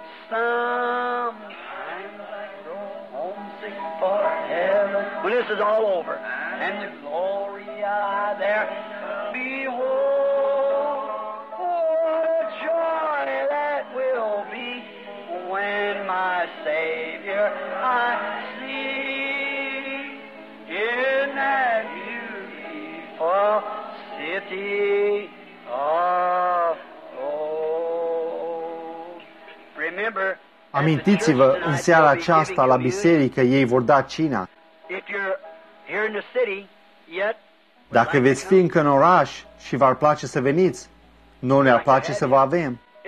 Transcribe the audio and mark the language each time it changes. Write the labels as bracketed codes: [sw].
[en] Sometimes I grow homesick for heaven, when this is all over, and the Gloria there, behold, what a joy that will be. When my Savior I see in that beautiful city of gold. Remember, [ro] amintiți-vă, în seara aceasta la biserică ei vor da cina. [en] If you're here in the city, yet, [ro] dacă veți fi încă în oraș și v-ar place să veniți, noi ne-ar place să vă avem.